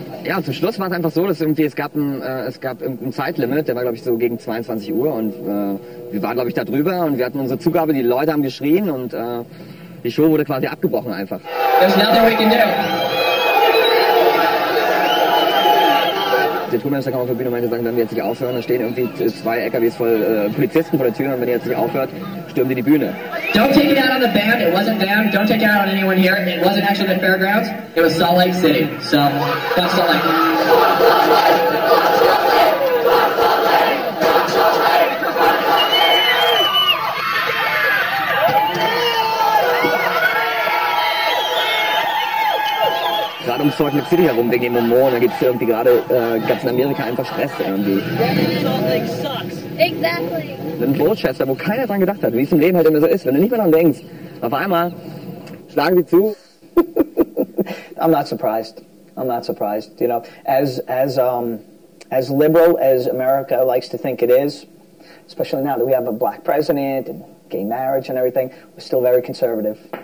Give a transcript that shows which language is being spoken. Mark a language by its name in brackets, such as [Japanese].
[German] Ja, zum Schluss war es einfach so, dass irgendwie es gab ein Zeitlimit, der war glaube ich so gegen 22 Uhr und wir waren glaube ich da drüber und wir hatten unsere Zugabe, die Leute haben geschrien und die Show wurde quasi abgebrochen einfach. [English] There's nothing we can do. [German] Der Tourmanager kam auf der Bühne und meinte, wenn wir jetzt nicht aufhören, dann stehen irgendwie zwei LKWs voll Polizisten vor der Tür und wenn ihr jetzt nicht aufhört, stürmen die Bühne. [English] Don't take it out on the band, it wasn't them. Don't take it out on anyone here, it wasn't actually the fairgrounds. It was Salt Lake City, so fuck Salt Lake. [German] Gerade um Salt Lake City herum, wegen dem Humor, da gibt es irgendwie gerade ganz in Amerika einfach Stress irgendwie. [English] Exactly. [German] Ein Worcester, wo keiner dran gedacht hat, wie es im Leben halt immer so ist. Wenn du nicht mehr dran denkst, auf einmal schlagen die zu. [English] I'm not surprised. I'm not surprised. You know, as liberal as America likes to think it is, especially now that we have a black president and gay marriage and everything, we're still very conservative.